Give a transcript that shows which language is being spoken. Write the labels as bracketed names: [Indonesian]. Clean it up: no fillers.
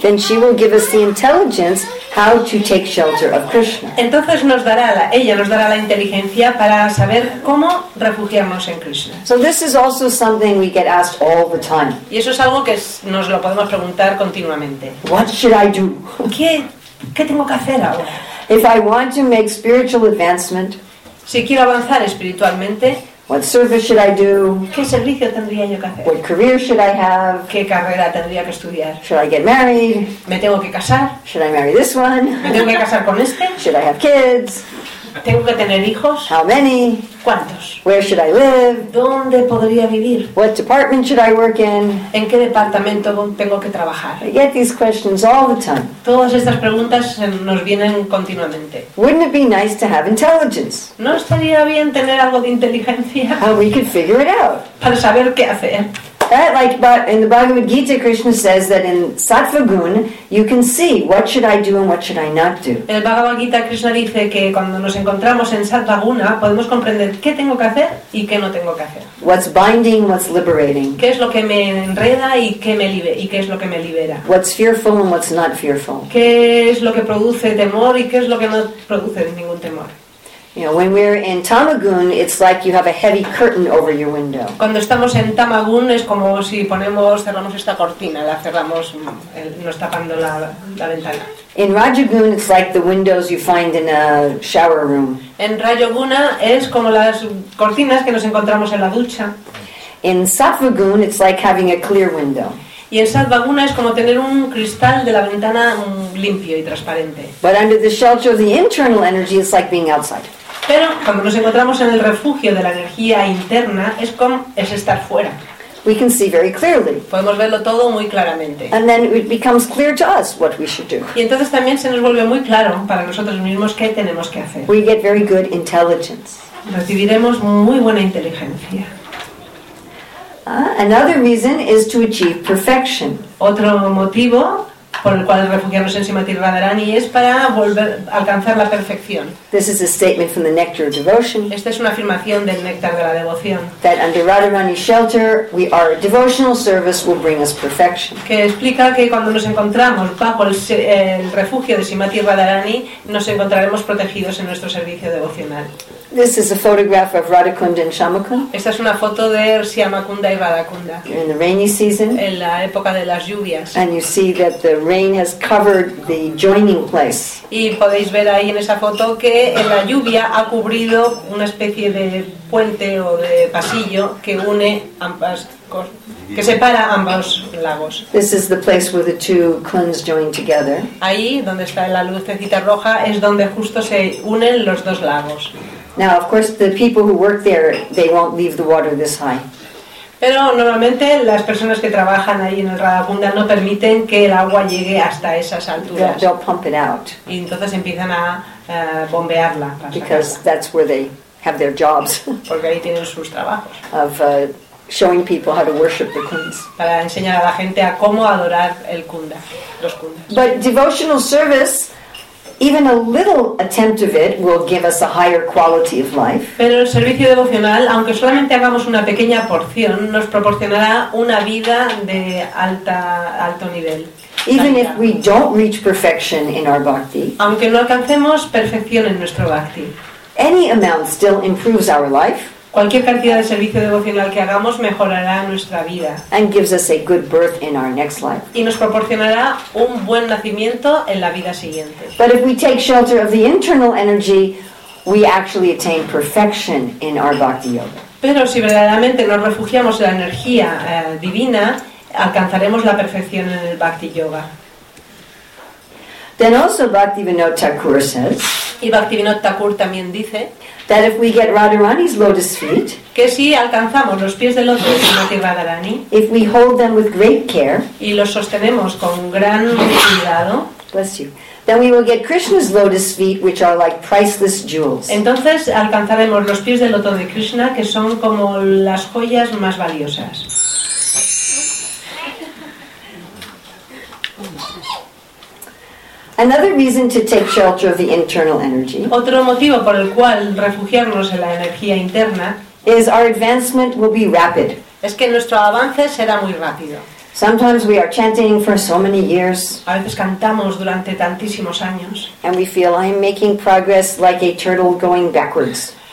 [English] then she will give us the intelligence how to take shelter of Krishna. [Spanish] Entonces ella nos dará la inteligencia para saber cómo refugiarnos en Krishna. [English] So this is also something we get asked all the time. [Spanish] Y eso es algo que nos lo podemos preguntar continuamente. [English] What should I do? [Spanish] ¿Qué tengo que hacer ahora? [English] If I want to make spiritual advancement, [Spanish] si quiero avanzar espiritualmente, [English] what service should I do? [Spanish] ¿Qué servicio tendría yo que hacer? [English] What career should I have? [Spanish] ¿Qué carrera tendría que estudiar? [English] Should I get married? [Spanish] ¿Me tengo que casar? [English] Should I marry this one? [Spanish] ¿Me tengo que casar con este? [English] Should I have kids? [Spanish] ¿Tengo que tener hijos? [English] How many? [Spanish] ¿Cuántos? [English] Where should I live? [Spanish] ¿Dónde podría vivir? [English] What department should I work in? [Spanish] ¿En qué departamento tengo que trabajar? [English] I get these questions all the time. [Spanish] Todas estas preguntas nos vienen continuamente. [English] Wouldn't it be nice to have intelligence? [Spanish] ¿No estaría bien tener algo de inteligencia? [English] How we could figure it out. [Spanish] Para saber qué hacer. [English] That, like, but in the Bhagavad Gita, Krishna says that in sattva gun, you can see what should I do and what should I not do. [Spanish] El Bhagavad Gita, Krishna dice que cuando nos encontramos en sattva guna, podemos comprender qué tengo que hacer y qué no tengo que hacer. [English] What's binding, what's liberating. [Spanish] Qué es lo que me enreda y qué me libera, y qué es lo que me libera. [English] What's fearful and what's not fearful. [Spanish] Qué es lo que produce temor y qué es lo que no produce ningún temor. [English] You know, when we're in tamagun, it's like you have a heavy curtain over your window. [Spanish] Cuando estamos en tamagun es como si ponemos, cerramos esta cortina, la cerramos, nos tapando la ventana. [English] In rajagun, it's like the windows you find in a shower room. [Spanish] En rajaguna es como las cortinas que nos encontramos en la ducha. [English] In sattvagun, it's like having a clear window. [Spanish] Y en sattvaguna es como tener un cristal de la ventana limpio y transparente. [English] But under the shelter of the internal energy, it's like being outside. [Spanish] Pero cuando nos encontramos en el refugio de la energía interna, es como es estar fuera. [English] We can see very clearly. [Spanish] Podemos verlo todo muy claramente. [English] And then it becomes clear to us what we should do. [Spanish] Y entonces también se nos vuelve muy claro para nosotros mismos qué tenemos que hacer. [English] We get very good intelligence. [Spanish] Recibiremos muy buena inteligencia. [English] Another reason is to achieve perfection. [Spanish] Otro motivo por el cual refugiarnos en Srimati Radharani es para volver a alcanzar la perfección. [English] This is a statement from the Nectar of Devotion. [Spanish] Esta es una afirmación del néctar de la devoción. [English] That under Radharani's shelter, we are a devotional service will bring us perfection. [Spanish] Que explica que cuando nos encontramos bajo el refugio de Srimati Radharani, nos encontraremos protegidos en nuestro servicio devocional. [English] This is a photograph of Radhakunda and Shyamakunda. [Spanish] Esta es una foto de Shyamakunda y Radhakunda. [English] In the rainy season. [Spanish] En la época de las lluvias. [English] And you see that the rain has covered the joining place. [Spanish] Y podéis ver ahí en esa foto que en la lluvia ha cubrido una especie de puente o de pasillo que une ambas, que separa ambos lagos. [English] This is the place where the two cones join together. [Spanish] Ahí donde está la lucecita roja es donde justo se unen los dos lagos. [English] Now, of course, the people who work there, they won't leave the water this high. [Spanish] Pero normalmente las personas que trabajan ahí en el Radhakunda no permiten que el agua llegue hasta esas alturas. [English] They'll pump it out. [Spanish] Y entonces empiezan a bombearla. [English] Because that's where they have their jobs. [Spanish] Porque ahí tienen sus trabajos. [English] Of showing people how to worship the kundas. [Spanish] Para enseñar a la gente a cómo adorar el kunda, los kundas. [English] But devotional service, even a little attempt of it will give us a higher quality of life. [Spanish] Pero el servicio devocional, aunque solamente hagamos una pequeña porción, nos proporcionará una vida de alto nivel. [English] Even if we don't reach perfection in our bhakti. [Spanish] Aunque no alcancemos perfección en nuestro bhakti. [English] Any amount still improves our life. [Spanish] Cualquier cantidad de servicio devocional que hagamos mejorará nuestra vida. [English] And gives us a good birth in our next life. [Spanish] Y nos proporcionará un buen nacimiento en la vida siguiente. [English] But if we take shelter of the internal energy, we actually attain perfection in our bhakti yoga. [Spanish] Pero si verdaderamente nos refugiamos en la energía divina, alcanzaremos la perfección en el bhakti yoga. [English] Then also Bhaktivinoda Thakur says. [Spanish] Y Bhaktivinoda Thakur también dice. [English] That if we get Radharani's lotus feet, [Spanish] que si alcanzamos los pies de loto de Srimati Radharani, [English] if we hold them with great care, [Spanish] y los sostenemos con gran cuidado, [English] bless you, then we will get Krishna's lotus feet, which are like priceless jewels. [Spanish] Entonces alcanzaremos los pies de loto de Krishna, que son como las joyas más valiosas. [English] Another reason to take shelter of the internal energy. [Spanish] Otro motivo por el cual refugiarnos en la energía interna [English] is our advancement will be rapid. [Spanish] Es que nuestro avance será muy rápido. [English] Sometimes we are chanting for so many years. [Spanish] A veces cantamos durante tantísimos años. [English] And we feel I am making progress like a turtle going backwards.